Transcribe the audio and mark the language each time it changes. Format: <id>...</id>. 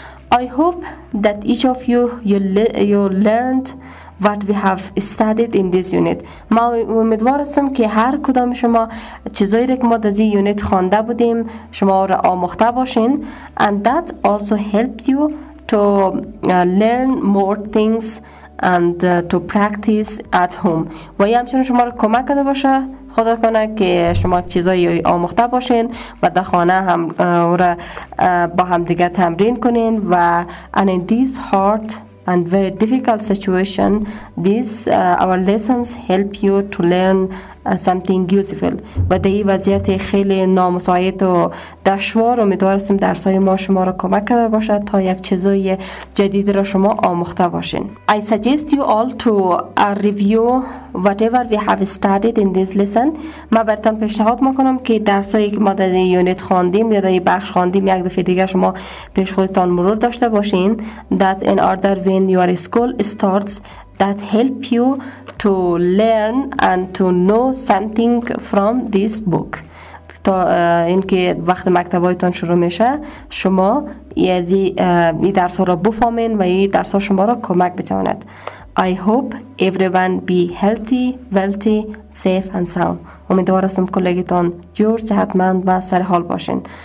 <en>I hope that each of you learned what we have studied in this unit.</en> <fa>ما امیدوار هستم که هر کدام شما چیزایی را که ما در این یونیت خوانده بودیم شما را آموخته باشین.</fa> <en>And that also helped you to learn more things and to practice at home.</en> <fa>و این همچنان شما را کمک کرده باشه خدا کنه که شما چیزایی آموخته باشین و در خانه هم او را با هم دیگه تمرین کنین.</fa> <en>و and in this heart and very difficult situation, these our lessons help you to learn something useful.</en> <fa>و در این وضعیت خیلی نامساعد و دشوار امیدوارستم درسای ما شما را کمک کرده باشد تا یک چیزای جدید را شما آموخته باشین.</fa> <en>I suggest you all to review whatever we have studied in this lesson.</en> <fa>ما برتان پیشنهاد میکنم که درسایی که ما در یونیت خواندیم یا در این بخش خواندیم یک دفعه دیگه شما پیش خودتان مرور داشته باشین.</fa> <en>That in order when your school starts, that help you to learn and to know something from this book.</en> <fa>تا اینکه وقت مکتبایتان شروع میشه شما این درس ها را بفهمین و این درس ها شما را کمک بتواند.</fa> <en>I hope everyone be healthy, wealthy, safe and sound.</en> <fa>امیدوارستم کلگیتان جور صحتمند و سرحال باشین.</fa>